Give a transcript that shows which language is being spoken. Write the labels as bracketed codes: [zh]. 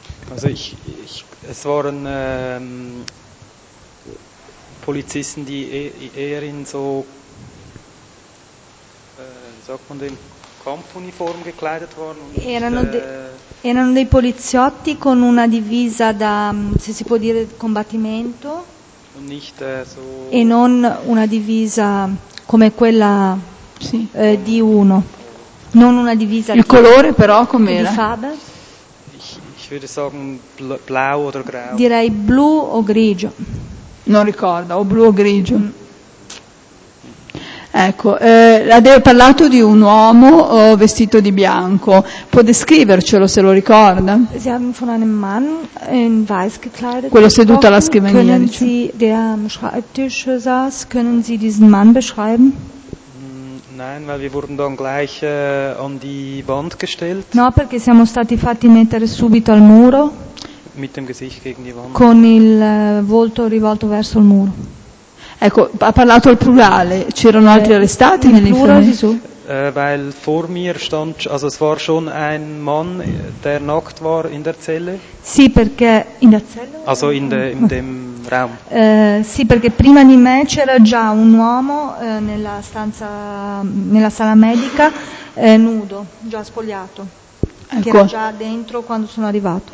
[de] Also ich es waren Polizisten, die eher in so sagt man den Kampfuniform gekleidet waren. [it] Erano dei poliziotti con una divisa da, se si può dire, combattimento. [de] Und nicht, so [it] e non una divisa come quella sì. Di uno. Non una divisa. Il colore però com'era? Di Faber. [de] Ich würde sagen blau oder grau. [it] Direi blu o grigio. Non ricorda, o blu o grigio. Ecco, ha parlato di un uomo vestito di bianco. Può descrivercelo se lo ricorda? [de] Sie haben von einem Mann in weiß gekleidet. [it] Quello seduto alla scrivania. [de] Können Sie, der am Schreibtisch saß, können Sie diesen Mann beschreiben? Nein, weil wir wurden dann gleich an die Wand gestellt. [it] No, perché siamo stati fatti mettere subito al muro. [de] Mit dem Gesicht gegen die Wand. [it] Con il volto rivolto verso il muro. Ecco, ha parlato al plurale. C'erano altri arrestati nell'infermeria? [de] Weil vor mir stand, also es war schon ein Mann, der nackt war in der Zelle. [it] Sì, perché [de] in der Zelle. Also in dem Raum. [it] Sì, perché prima di me c'era già un uomo nella stanza, nella sala medica, nudo, già spogliato. Ecco. Che era già dentro quando sono arrivato.